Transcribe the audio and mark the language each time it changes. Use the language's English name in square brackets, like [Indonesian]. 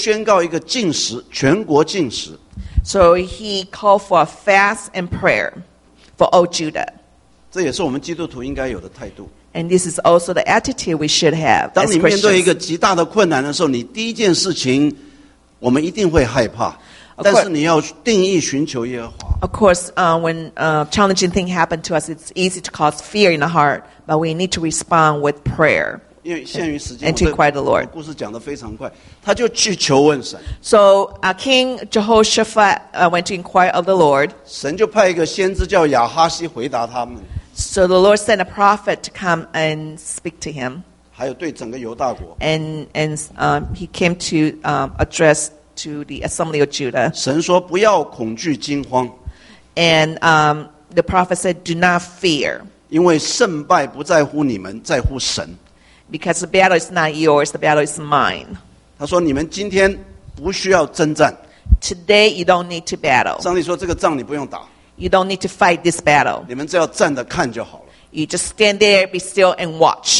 [Chinese] 圣经上说，他就伏伏在地，他就向神祷告，他在以色列宣告一个禁食，全国禁食。 [English] So he called for a fast and prayer for all Judah. [Chinese] 这也是我们基督徒应该有的态度。 [English] And this is also the attitude we should have as Christians. [Chinese] 当你面对一个极大的困难的时候，你第一件事情，我们一定会害怕。 [English] Of course, when challenging things happen to us, it's easy to cause fear in the heart, but we need to respond with prayer and to inquire the Lord. So, King Jehoshaphat went to inquire of the Lord. So, the Lord sent a prophet to come and speak to him. He came to address to the assembly of Judah. [Chinese] 神说不要恐惧惊慌。 [English] And the prophet said, do not fear. [Chinese] 因为胜败不在乎你们, 在乎神。 [English] Because the battle is not yours, the battle is mine. [Chinese] 他说你们今天不需要征战。 [English] Today you don't need to battle. [Chinese] 上帝说这个仗你不用打。 [English] You don't need to fight this battle. [Chinese] 你们只要站着看就好了。 [English] You just stand there, be still, and watch.